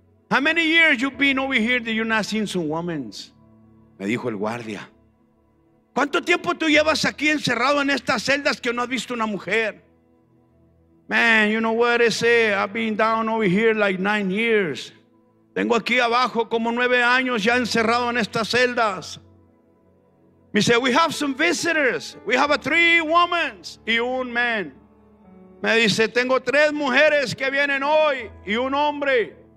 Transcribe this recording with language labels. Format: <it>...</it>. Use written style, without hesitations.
<en>How many years you been over here that you not seen some women?</en> <es>Me dijo el guardia. ¿Cuánto tiempo tú llevas aquí encerrado en estas celdas que no has visto una mujer?</es> <en>Man, you know what I say, I've been down over here like 9 years.</en> <es>Tengo aquí abajo como 9 años ya encerrado en estas celdas. Me dice:</es> <en>we have some visitors, we have a 3 women</en> <es>y un</es> <en>man.</en> <es>Me dice: tengo 3 mujeres que vienen hoy y un hombre.</es>